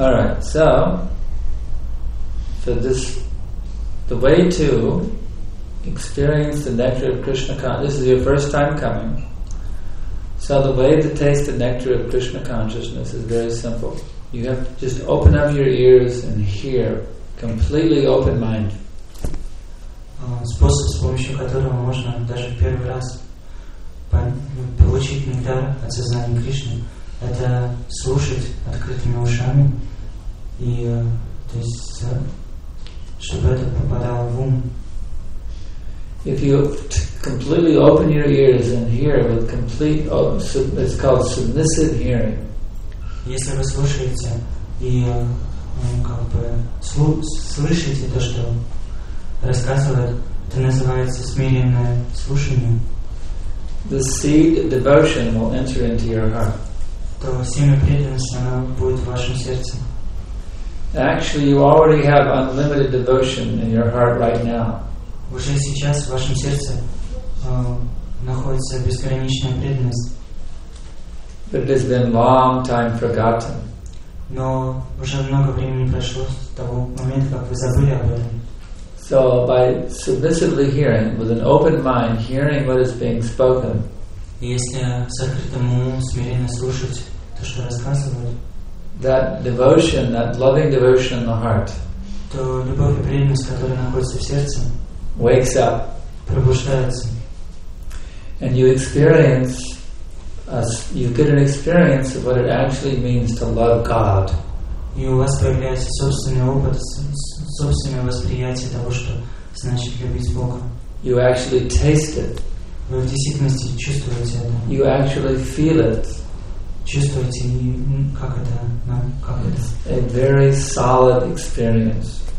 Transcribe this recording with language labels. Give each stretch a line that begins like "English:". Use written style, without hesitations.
English: All right, so for this, the way to experience the nectar of Krishna consciousness, this is your first time coming. So the way to taste the nectar of Krishna consciousness is very simple. You have to just open up your ears and hear, completely open mind.
Russian: Способ, с помощью которого можно даже в первый раз получить нектар от сознания Кришны, это слушать открытыми ушами и то есть чтобы это попадало в ум.
English: If you completely open your ears and hear with complete, it's called submissive hearing.
Russian: Если вы слушаете и как бы слышите то, что рассказывает, это называется смиренное слушание.
English: The seed of devotion will enter into your heart.
Russian: То семя преданности оно будет в вашем сердце.
English: Actually, you already have unlimited devotion in your heart right now.
Russian: Уже сейчас в вашем сердце находится безграничная преданность.
English: But it has been long time forgotten.
Russian: Но уже много времени прошло с того момента, как вы забыли об этом.
English: So by submissively hearing, with an open mind, hearing what is being spoken.
Russian: Если с открытым умом смиренно слушать то, что рассказывают.
English: That devotion, that loving devotion in the heart.
Russian: То любовь и преданность, которая находится в сердце.
English: Wakes up.
Russian: Пробуждается.
English: And you experience. You get an experience of what it actually means to love God.
Russian: И у вас появляется собственный опыт, собственное восприятие того, что значит любить Бога.
English: You actually taste it.
Russian: Вы в действительности чувствуете это.
English: You actually feel it.
Russian: Чувствуете, как это, как
English: it's
Russian: это.
English: A very solid experience.